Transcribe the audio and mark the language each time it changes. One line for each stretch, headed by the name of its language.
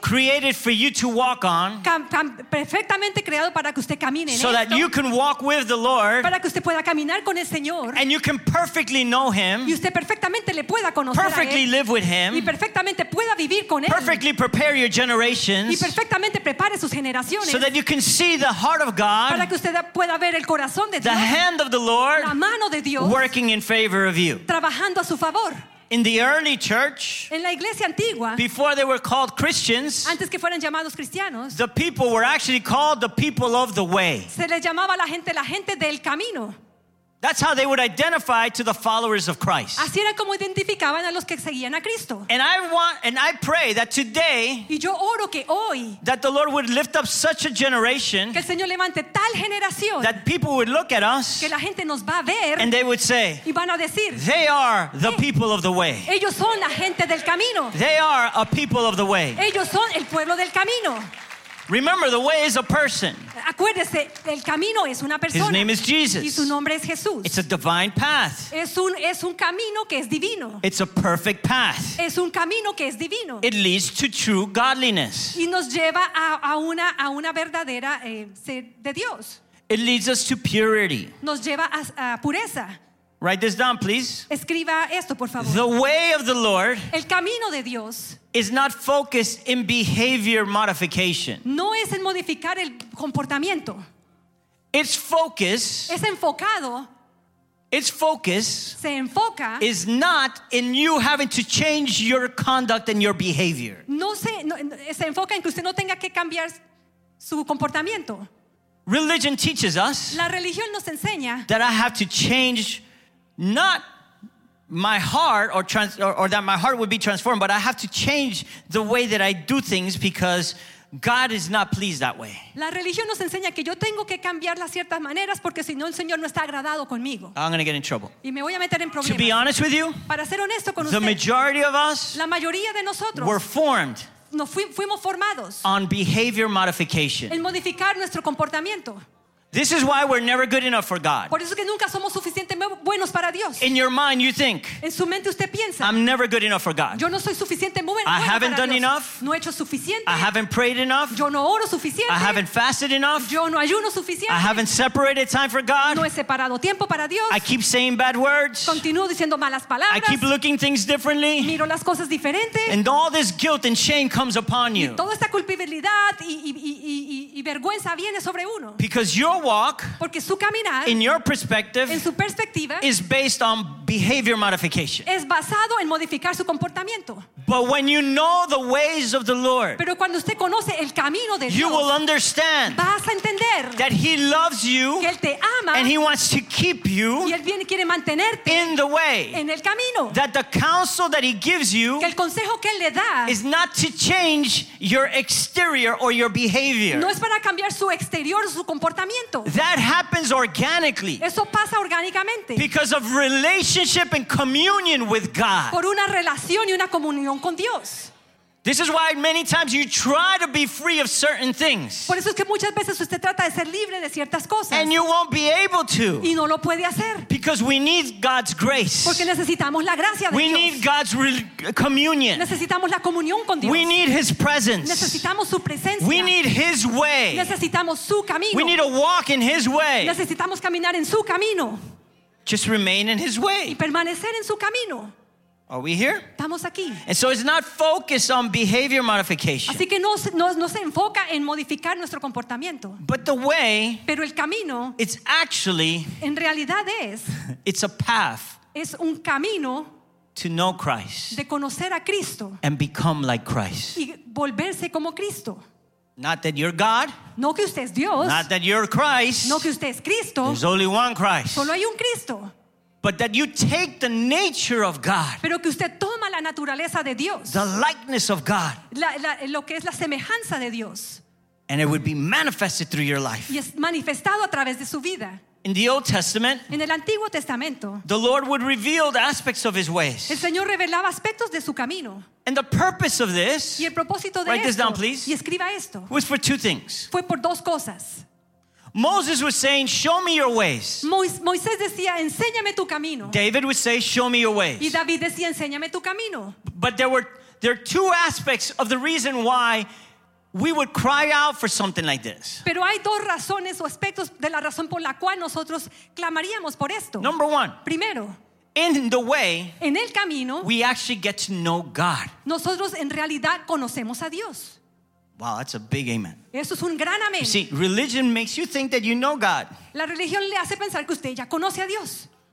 English: Created for you to walk on.
Spanish: Perfectamente creado para que usted camine en esto.
English: So that you can walk with the Lord.
Spanish: Para que usted pueda caminar con el Señor.
English: And you can perfectly know him.
Spanish: Y usted perfectamente le pueda conocer a él.
English: Perfectly live with him.
Spanish: Y perfectamente pueda vivir con él.
English: Perfectly prepare your generations.
Spanish: Y perfectamente prepare sus generaciones.
English: So that you can see the heart of God,
Spanish: para que usted pueda ver el corazón de Dios,
English: the hand of the Lord,
Spanish: la mano de Dios,
English: working in favor of you,
Spanish: trabajando a su favor.
English: In the early church,
Spanish: en la iglesia antigua,
English: before they were called Christians,
Spanish: antes que fueran llamados cristianos,
English: the people were actually called the people of the way.
Spanish: Se les llamaba la gente del camino.
English: That's how they would identify to the followers of Christ.
Spanish: Así era como identificaban a los que seguían a Cristo.
English: And I pray that today,
Spanish: y yo oro que hoy,
English: that the Lord would lift up such a generation,
Spanish: que el Señor levante tal generación,
English: that people would look at us,
Spanish: que la gente nos va a ver,
English: and they would say,
Spanish: y van a decir,
English: they are the people of the way.
Spanish: Ellos son la gente del camino.
English: They are a people of the way.
Spanish: Ellos son el pueblo del camino.
English: Remember, the way is a person.
Spanish: Acuérdese, el camino es una persona.
English: His name is Jesus.
Spanish: Y su nombre es Jesús.
English: It's a divine path.
Spanish: Es un camino que es divino.
English: It's a perfect path.
Spanish: Es un camino que es divino.
English: It leads to true godliness.
Spanish: Y nos lleva a una verdadera sed de Dios.
English: It leads us to purity.
Spanish: Nos lleva a pureza.
English: Write this down, please.
Spanish: Escriba esto, por favor.
English: The way of the Lord,
Spanish: el camino de Dios,
English: is not focused in behavior modification.
Spanish: No es en modificar el comportamiento.
English: Its focus,
Spanish: es enfocado,
English: its focus,
Spanish: se enfoca,
English: is not in you having to change your conduct and your behavior.
Spanish: No se enfoca en que usted no tenga que cambiar su comportamiento.
English: Religion teaches us,
Spanish: la religión nos enseña,
English: that I have to change not my heart or that my heart would be transformed, but I have to change the way that I do things because God is not pleased that way.
Spanish: La religión nos enseña que yo tengo que cambiar las ciertas maneras porque si no el Señor no está agradado conmigo.
English: I'm going to get in trouble.
Spanish: Y me voy a meter en problemas.
English: To be honest with you,
Spanish: para ser honesto con
English: the
Spanish: usted,
English: majority of us,
Spanish: la mayoría de nosotros,
English: were formed,
Spanish: nos fuimos formados,
English: on behavior modification,
Spanish: en modificar nuestro comportamiento.
English: This is why we're never good enough for God.
Spanish: Por eso que nunca somos suficientemente buenos para Dios.
English: In your mind, you think,
Spanish: en su mente usted piensa,
English: I'm never good enough for God.
Spanish: Yo no soy suficiente bueno para Dios.
English: I haven't done enough.
Spanish: No he hecho suficiente.
English: I haven't prayed enough.
Spanish: Yo no oro suficiente.
English: I haven't fasted enough.
Spanish: Yo no ayuno suficiente.
English: I haven't separated time for God.
Spanish: No he separado tiempo para Dios.
English: I keep saying bad words.
Spanish: Continúo diciendo malas palabras.
English: I keep looking things differently.
Spanish: Miro las cosas diferentes.
English: And all this guilt and shame comes upon you.
Spanish: Y toda esta culpabilidad y vergüenza viene sobre uno.
English: Because you're walk,
Spanish: porque su caminar,
English: in your perspective,
Spanish: en su perspectiva,
English: is based on behavior modification.
Spanish: Es basado en modificar su comportamiento.
English: But when you know the ways of the Lord,
Spanish: pero cuando usted conoce el camino de Dios,
English: you will understand,
Spanish: vas a entender,
English: that he loves you,
Spanish: que él te ama,
English: and he wants to keep you,
Spanish: y él viene, quiere mantenerte,
English: in the way,
Spanish: en el camino,
English: that the counsel that he gives you,
Spanish: que el consejo que él le da,
English: is not to change your exterior or your behavior.
Spanish: No es para cambiar su exterior o su comportamiento.
English: That happens organically.
Spanish: Eso pasa orgánicamente.
English: Because of relationship and communion with God.
Spanish: Por una relación y una comunión con Dios.
English: This is why many times you try to be free of certain things.
Spanish: Por eso es que muchas veces usted trata de ser libre de ciertas cosas.
English: And you won't be able to.
Spanish: Y no lo puede hacer.
English: Because we need God's grace.
Spanish: Porque necesitamos la gracia de
English: we
Spanish: Dios.
English: We need God's communion.
Spanish: Necesitamos la comunión con Dios.
English: We need his presence.
Spanish: Necesitamos su presencia.
English: We need his way.
Spanish: Necesitamos su camino.
English: We need to walk in his way.
Spanish: Necesitamos caminar en su camino.
English: Just remain in his way.
Spanish: Y permanecer en su camino.
English: Are we here?
Spanish: Estamos aquí.
English: And so it's not focused on behavior modification.
Spanish: Así que no se enfoca en modificar nuestro comportamiento.
English: But the way,
Spanish: pero el camino,
English: it's actually,
Spanish: en realidad es,
English: it's a path,
Spanish: es un camino,
English: to know Christ,
Spanish: de conocer a Cristo,
English: and become like Christ,
Spanish: y volverse como Cristo.
English: Not that you're God.
Spanish: No que usted es Dios.
English: Not that you're Christ.
Spanish: No que usted es Cristo.
English: There's only one Christ.
Spanish: Solo hay un Cristo.
English: But that you take the nature of God.
Spanish: Pero que usted toma la naturaleza de Dios.
English: The likeness of God.
Spanish: Lo que es la semejanza de Dios.
English: And it would be manifested through your life.
Spanish: Y es manifestado a través de su vida.
English: In the Old Testament,
Spanish: en el Antiguo Testamento,
English: the Lord would reveal the aspects of His ways.
Spanish: El Señor revelaba aspectos de su camino.
English: And the purpose of this,
Spanish: y el propósito de
English: write
Spanish: esto,
English: this down, please,
Spanish: y escriba esto,
English: was for two things.
Spanish: Fue por dos cosas.
English: Moses was saying, "Show me your ways."
Spanish: Moisés decía, "Enséñame tu camino."
English: David would say, "Show me your ways."
Spanish: Y David decía, "Enséñame tu camino."
English: But there are two aspects of the reason why we would cry out for something like this.
Spanish: Pero hay dos razones o aspectos de la razón por la cual nosotros clamaríamos por esto.
English: Number one.
Spanish: Primero.
English: In the way.
Spanish: En el camino.
English: We actually get to know God.
Spanish: Nosotros en realidad conocemos a Dios.
English: Wow, that's a big amen.
Spanish: Eso es un gran amén.
English: You see, religion makes you think that you know God.
Spanish: La religión le hace pensar que usted ya conoce a Dios.